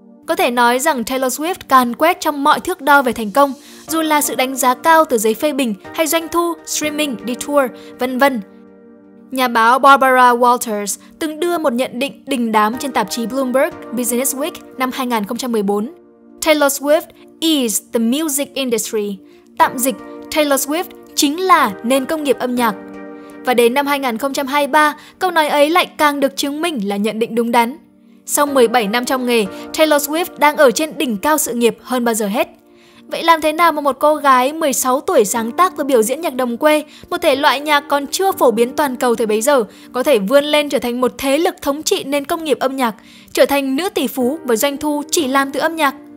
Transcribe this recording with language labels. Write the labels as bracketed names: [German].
[Vietnamese] Có thể nói rằng Taylor Swift càn quét trong mọi thước đo về thành công, dù là sự đánh giá cao từ giới phê bình hay doanh thu, streaming, đi tour, v.v. Nhà báo Barbara Walters từng đưa một nhận định đình đám trên tạp chí Bloomberg Business Week năm 2014. [English] Taylor Swift is the music industry. [Vietnamese] Tạm dịch, Taylor Swift chính là nền công nghiệp âm nhạc. Và đến năm 2023, câu nói ấy lại càng được chứng minh là nhận định đúng đắn. Sau 17 năm trong nghề, Taylor Swift đang ở trên đỉnh cao sự nghiệp hơn bao giờ hết. Vậy làm thế nào mà một cô gái 16 tuổi sáng tác và biểu diễn nhạc đồng quê, một thể loại nhạc còn chưa phổ biến toàn cầu thời bấy giờ, có thể vươn lên trở thành một thế lực thống trị nền công nghiệp âm nhạc, trở thành nữ tỷ phú với doanh thu chỉ làm từ âm nhạc?